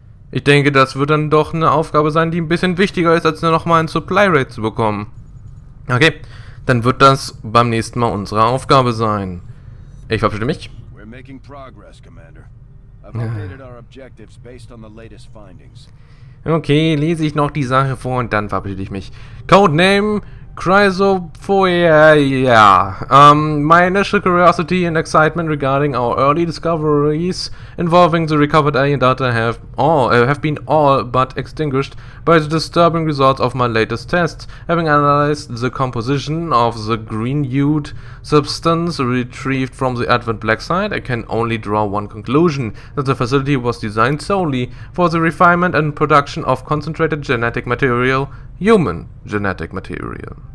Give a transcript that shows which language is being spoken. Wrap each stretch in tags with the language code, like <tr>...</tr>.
<de>Ich denke, das wird dann doch eine Aufgabe sein, die ein bisschen wichtiger ist, als nur nochmal ein Supply Rate zu bekommen. Okay, dann wird das beim nächsten Mal unsere Aufgabe sein. Ich verabschiede mich.</de> <en>We're making progress, Commander. I've updated our objectives based on the latest findings.</en> <de>Okay, lese ich noch die Sache vor und dann verabschiede ich mich. Codename Chrysophoia.</de> <en>My initial curiosity and excitement regarding our early discoveries involving the recovered alien data have been all but extinguished by the disturbing results of my latest tests. Having analyzed the composition of the green-hued substance retrieved from the Advent Black Site, I can only draw one conclusion: that the facility was designed solely for the refinement and production of concentrated genetic material, human genetic material.</en>